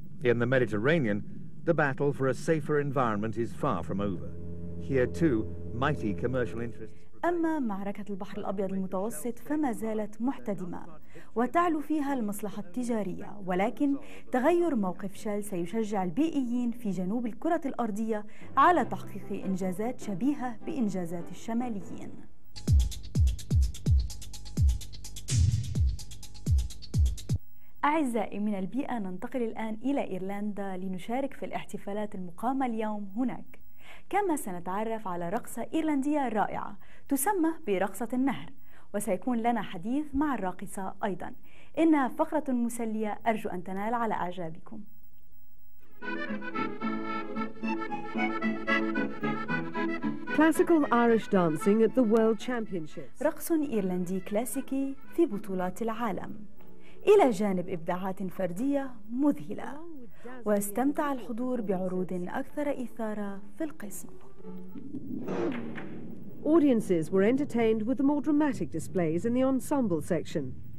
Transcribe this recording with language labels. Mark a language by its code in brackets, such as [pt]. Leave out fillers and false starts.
[en] In the Mediterranean, the battle for a safer environment is far from over. Here too, mighty commercial interests. [ar] أما معركة البحر الأبيض المتوسط فما زالت محتدمة وتعلو فيها المصلحة التجارية، ولكن تغير موقف شل سيشجع البيئيين في جنوب الكرة الأرضية على تحقيق إنجازات شبيهة بإنجازات الشماليين. أعزائي من البيئة، ننتقل الآن إلى إيرلندا لنشارك في الاحتفالات المقامة اليوم هناك، كما سنتعرف على رقصة إيرلندية رائعة تسمى برقصة النهر، وسيكون لنا حديث مع الراقصة أيضا. إنها فقرة مسلية أرجو أن تنال على أعجابكم. [en] Classical Irish dancing at the World Championships. [ar] رقص إيرلندي كلاسيكي في بطولات العالم، إلى جانب إبداعات فردية مذهلة. واستمتع الحضور بعروض أكثر إثارة في القسم. [en] Audiences were entertained with the more dramatic displays in the ensemble section.